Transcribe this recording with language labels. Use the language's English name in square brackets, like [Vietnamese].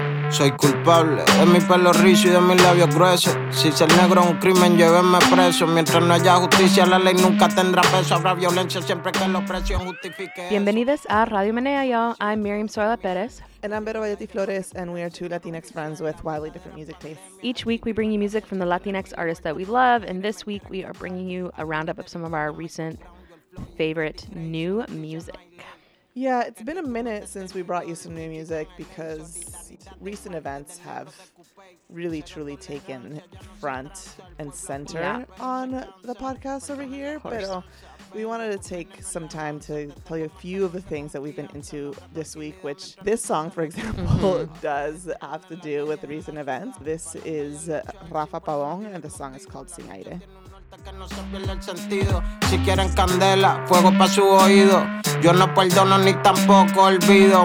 [Spanish] Soy culpable de mi pelo rizo y de mis labios gruesos. Si ser negro es un crimen, llévenme preso. Mientras no haya justicia, la ley nunca tendrá peso. Habrá violencia siempre que los precios justifiquen. Bienvenidos a [English] Radio Menea, y'all. I'm Miriam Soela Perez. And I'm Vero Valletti Flores, and we are two Latinx friends with wildly different music tastes. Each week, we bring you music from the Latinx artists that we love, and this week, we are bringing you a roundup of some of our recent favorite new music. Yeah, it's been a minute since we brought you some new music because recent events have really, truly taken front and center on the podcast over here. But we wanted to take some time to tell you a few of the things that we've been into this week, which this song, for example, does have to do with recent events. This is Rafa Pavón, and the song is called Sin Aire. [Spanish] Que no se pierda el sentido. Si quieren candela, fuego pa' su oído. Yo no perdono ni tampoco olvido.